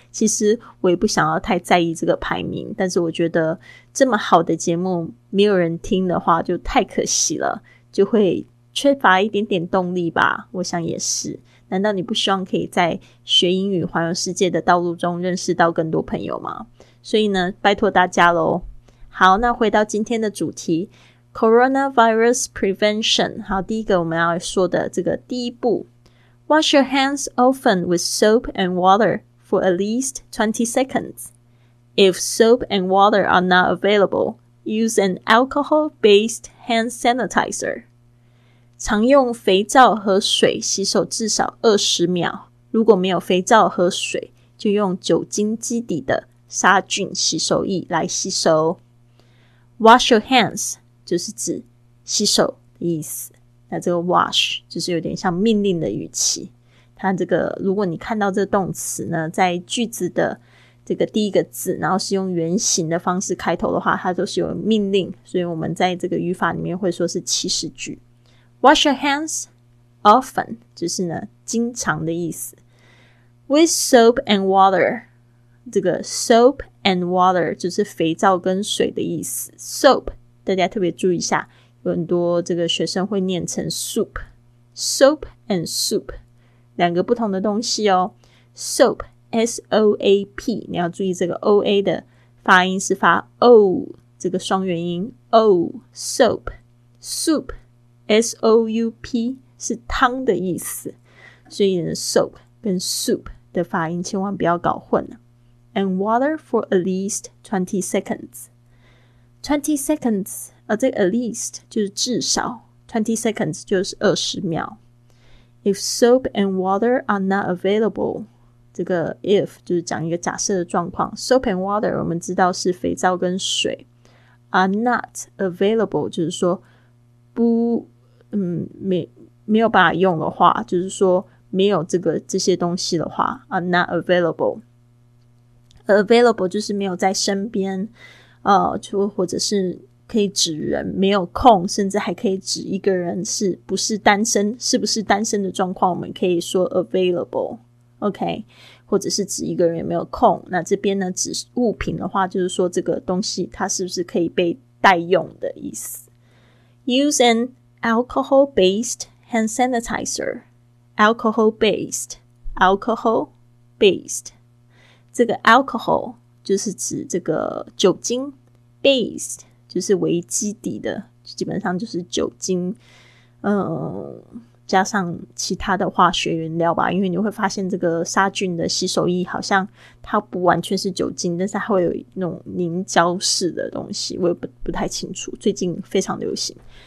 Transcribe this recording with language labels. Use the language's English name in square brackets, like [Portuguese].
[Chinese] 其实我也不想要太在意这个排名，但是我觉得这么好的节目没有人听的话就太可惜了，就会缺乏一点点动力吧，我想也是。难道你不希望可以在学英语环游世界的道路中认识到更多朋友吗？所以呢拜托大家咯。好，那回到今天的主题， [English] Coronavirus Prevention。 [Chinese] 好，第一个我们要说的这个第一步， [English] Wash your hands often with soap and water for at least 20 seconds. If soap and water are not available, use an alcohol-based hand sanitizer. [Chinese] 常用肥皂和水洗手至少20秒，如果没有肥皂和水就用酒精基底的杀菌洗手液来洗手。 [English] Wash your hands [Chinese] 就是指洗手的意思，那这个 wash 就是有点像命令的语气。它这个如果你看到这个动词呢在句子的这个第一个字然后是用原形的方式开头的话，它就是有命令，所以我们在这个语法里面会说是祈使句。 [English] Wash your hands often, [Chinese] 就是呢经常的意思。 [English] With soap and water, [Chinese] 这个 [English] soap and water [Chinese] 就是肥皂跟水的意思。 Soap, 大家特别注意一下，有很多这个学生会念成 soup, [English] soap and soup, [Chinese] 两个不同的东西哦。 Soap, S-O-A-P, 你要注意这个 O-A 的发音是发 O, 这个双元音 O, [English] soap, soup,S-O-U-P [Chinese] 是汤的意思，所以 soap 跟 soup 的发音千万不要搞混了。 [English] and water for at least 20 seconds. 20 seconds, [Chinese] 这个 [English] at least [Chinese] 就是至少 ,20 seconds 就是20秒。 [English] If soap and water are not available, [Chinese] 这个 if 就是讲一个假设的状况。 [English] Soap and water [Chinese] 我们知道是肥皂跟水。 [English] Are not available, [Chinese] 就是说不没有办法用的话，就是说没有这个这些东西的话 , [English] are not available。 [Chinese] Available 就是没有在身边，就或者是可以指人，没有空，甚至还可以指一个人是不是单身，是不是单身的状况，我们可以说 [English] available, OK, [Chinese] 或者是指一个人有没有空。那这边呢，指物品的话，就是说这个东西它是不是可以被代用的意思。 [English] Use an alcohol-based hand sanitizer. Alcohol-based. Alcohol-based. [Chinese] 这个 alcohol 就是指这个酒精 based 就是为基底的，基本上就是酒精加上其他的化学原料吧，因为你会发现这个杀菌的洗手液好像它不完全是酒精，但是它会有那种凝胶式的东西，我也 不太清楚，最近非常流行。